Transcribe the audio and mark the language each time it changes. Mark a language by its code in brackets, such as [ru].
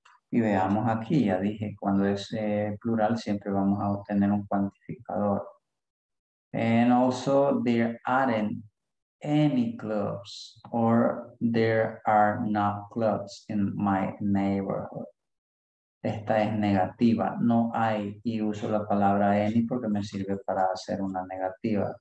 [es] Y veamos aquí, ya dije, cuando es plural siempre vamos a obtener un cuantificador. [en] And also there aren't any clubs, or there are not clubs in my neighborhood. [es] Esta es negativa, no hay, y uso la palabra any porque me sirve para hacer una negativa.